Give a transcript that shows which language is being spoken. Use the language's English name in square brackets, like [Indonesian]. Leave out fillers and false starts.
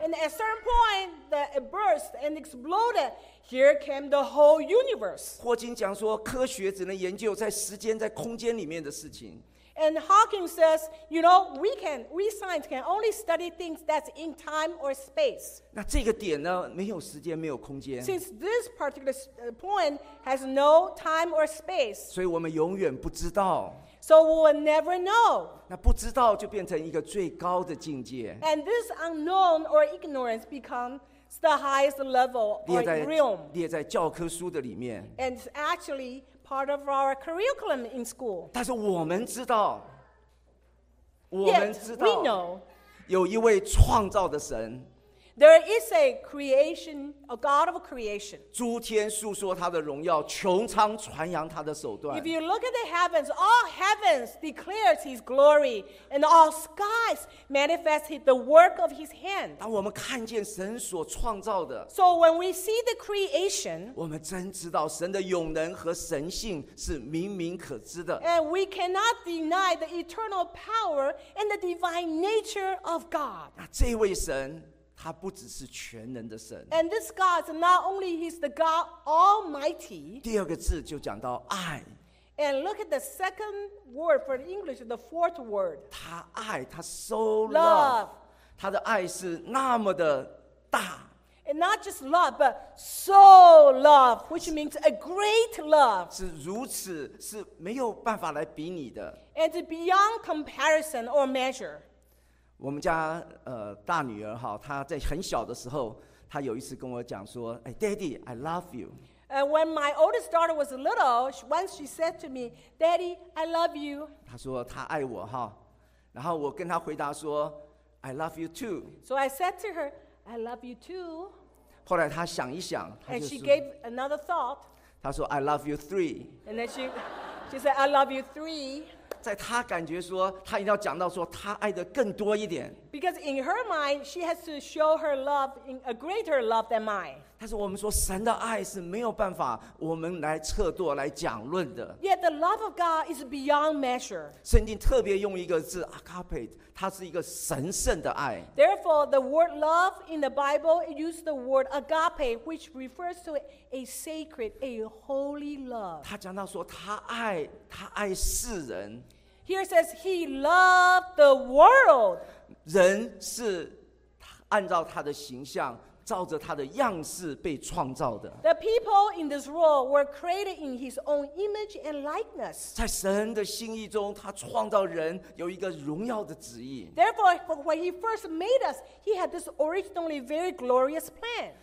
[English] And at a certain point, that it burst and exploded,Here came the whole universe. [Chinese] 霍金讲说，科学只能研究在时间、在空间里面的事情。 [English] And Hawking says, you know, we science can only study things that's in time or space. [Chinese] 那这个点呢，没有时间，没有空间。 [English] Since this particular point has no time or space, [Chinese] 所以我们永远不知道。 [English] So we will never know. [Chinese] 那不知道就变成一个最高的境界。 [English] And this unknown or ignorance becomes the highest level or realm. [Chinese] 列在教科书的里面。 [English] And it's actually part of our curriculum in school. [Chinese] 但是我们知道，我们知道， [English] Yet, we know, [Chinese] 有一位创造的神。 [English] There is a creation, a God of creation. [Chinese] 诸天述说他的荣耀，穹苍传扬他的手段。 [English] If you look at the heavens, all heavens declares his glory, and all skies manifest the work of his hand. [Chinese] 当我们看见神所创造的， [English] So when we see the creation, [Chinese] 我们真知道神的永能和神性是明明可知的。 [English] And we cannot deny the eternal power and the divine nature of God. [Chinese] 那这位神他不只是全能的神。 [English] And this God is not only he's the God Almighty. [Chinese] 第二个字就讲到爱。 [English] And look at the second word for English, the fourth word. [Chinese] 他爱，他 [English] so love. [Chinese] 他的爱是那么的大。 [English] And not just love, but so love, which means a great love. [Chinese] 是如此，是没有办法来比拟的。 [English] And beyond comparison or measure. [Chinese] 我们家大女儿哈，她在很小的时候，她有一次跟我讲说，哎 ， [English] Daddy, I love you. When my oldest daughter was little, once she said to me, "Daddy, I love you." [Chinese] 她说她爱我哈，然后我跟她回答说 ， [English] I love you too. So I said to her. I love you too. [Chinese] 后来她想一想，她就说。 [English] And she gave another thought. [Chinese] 她说 ， [English] I love you three. And then she said, "I love you three." [Chinese] 在她感觉说，她一定要讲到说，她爱的更多一点。 [English] Because in her mind, she has to show her love in a greater love than mine. [Chinese] 但是我们说，神的爱是没有办法我们来测度、来讲论的。 [English] Yet the love of God is beyond measure. [Chinese] 圣经特别用一个字 agape。它是一个神圣的爱。 [English] Therefore, the word love in the Bible uses the word agape, which refers to a sacred, a holy love. [Chinese] 他讲到说，他爱世人。 [English] Here it says he loved the world. [Chinese] 人是按照他的形象，照着他的样式被创造的。 [English] The people in this world were created in his own image and likeness. [Chinese] 在神的心意中，他创造人有一个荣耀的旨意。 [English] Therefore, when he first made us, he had this originally very glorious plan.